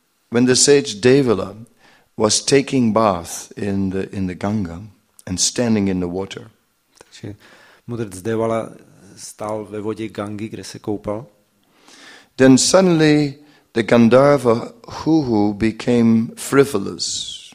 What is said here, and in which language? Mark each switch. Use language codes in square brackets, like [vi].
[en] When the sage Devala was taking bath in the Ganga and standing in the water. [cs] Takže mudrc Devala stál ve vodě Gangy, kde se koupal. [en] Then suddenly the Gandharva Huhu became frivolous.